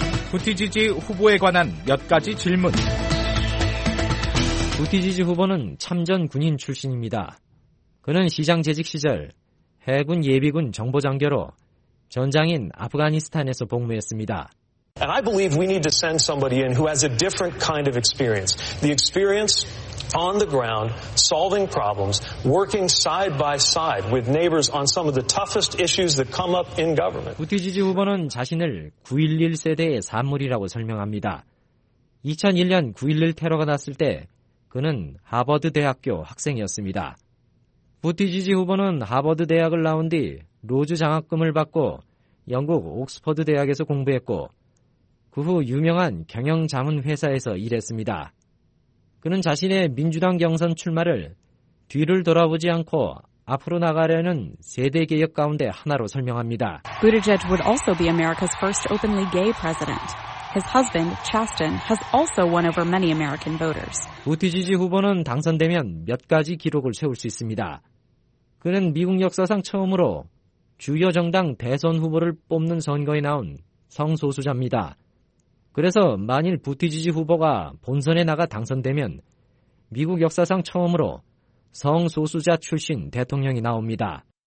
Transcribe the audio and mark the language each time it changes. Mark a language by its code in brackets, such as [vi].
[ko] 부티지지 후보에 관한 몇 가지 질문. 부티지지 후보는 참전 군인 출신입니다. 그는 시장 재직 시절 해군 예비군 정보장교로 전장인 아프가니스탄에서 복무했습니다. [en] And I believe we need to send somebody in who has a different kind of experience. The experience on the ground, solving problems, working side by side with neighbors on some of the toughest issues that come up in government. [ko] 부티지지 후보는 자신을 9.11 세대의 산물이라고 설명합니다. 2001년 9.11 테러가 났을 때 그는 하버드 대학교 학생이었습니다. 부티지지 후보는 하버드 대학을 나온 뒤 로즈 장학금을 받고 영국 옥스퍼드 대학에서 공부했고 그 후 유명한 경영 자문 회사에서 일했습니다. 그는 자신의 민주당 경선 출마를 뒤를 돌아보지 않고 앞으로 나가려는 세대 개혁 가운데 하나로 설명합니다. [en] Buttigieg would also be America's first openly gay president. His husband, Chasten, has also won over many American voters. [ko] 부티지지 후보는 당선되면 몇 가지 기록을 세울 수 있습니다. 그는 미국 역사상 처음으로 주요 정당 대선 후보를 뽑는 선거에 나온 성소수자입니다. 그래서 만일 부티지지 후보가 본선에 나가 당선되면 미국 역사상 처음으로 성소수자 출신 대통령이 나옵니다.